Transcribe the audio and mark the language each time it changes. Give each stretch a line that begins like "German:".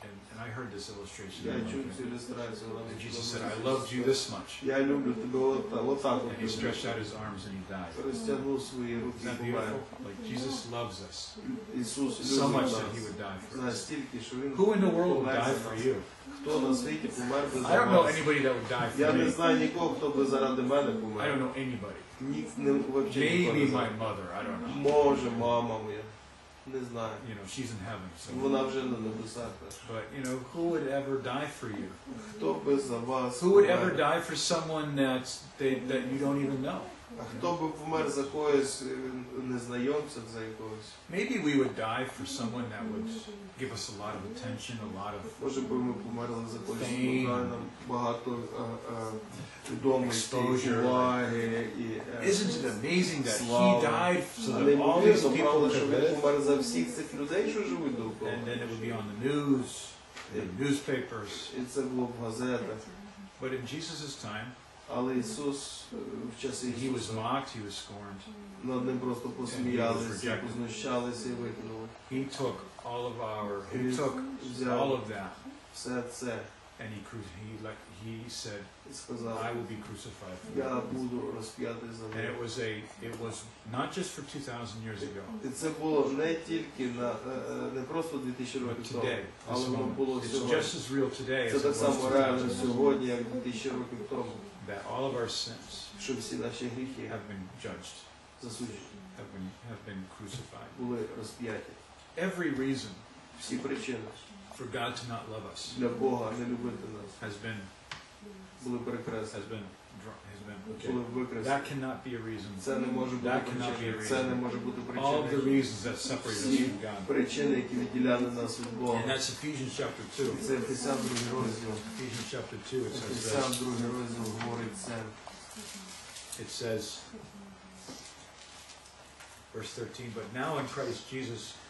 English: And I heard this illustration. And Jesus said, "I loved you this much." And he stretched out his arms and he died. Isn't that beautiful? Like Jesus loves us so much that he would die for us. Who in the world would die for you?
Ukrainian: Хто на світі помер би за вас?
English: I don't know anybody that would die for me.
Ukrainian: Я не знаю нікого, хто би заради мене помер.
English: I don't know anybody. Maybe my mother, I don't know.
Ukrainian: Може, мама моя. Не знаю.
English: You know, she's in heaven.
Ukrainian: Вона вже на небесах.
English: But, you know, who would ever die for you?
Ukrainian: Хто би за вас?
English: Who would ever die for someone that you don't even know?
Ukrainian: А хто би помер за когось, незнайомця за якогось?
English: Maybe we would die for someone that would give us a lot of attention, a lot of fame.
Ukrainian: Може би ми померли за когось, нам багато відомості,
English: exposure.
Ukrainian: Уваги.
English: Isn't it amazing that he died so that all these people could
Ukrainian: помер за всіх цих людей, що живуть довкола?
English: And then it would be on the news, the newspapers.
Ukrainian: І це було в газетах.
English: But in Jesus' time,
Ukrainian: але Ісус в часи
English: He was mocked, he was scorned.
Ukrainian: Над ним просто посміялися, познущалися і викинули.
English: He took all of our, he took all of that.
Ukrainian: Все це.
English: And he said, I will be crucified for you.
Ukrainian: Я буду розп'ятий за вас.
English: And it was not just for 2000 years ago.
Ukrainian: Це було не тільки на не просто 2000 років тому, але воно було сьогодні.
English: It's just as real today.
Ukrainian: Це так само реально сьогодні, як 2000 років тому.
English: That all of our sins,
Ukrainian: що всі наші гріхи,
English: have been judged.
Ukrainian: Засуджені.
English: Have been crucified.
Ukrainian: Були розп'яті.
English: Every reason,
Ukrainian: всі причини,
English: for God to not love us,
Ukrainian: для Бога не любити нас,
English: has been okay. That cannot be a reason.
Ukrainian: Це не може бути причина. Це не може бути причина.
English: All the reasons that separate us from God.
Ukrainian: Причини, які відділяли нас від Бога.
English: And that's Ephesians chapter 2.
Ukrainian: Це Ефесян 2 розділ.
English: Ephesians chapter 2, it says this.
Ukrainian: Ефесян 2 розділ говориться.
English: It says, verse 13, but now in Christ Jesus,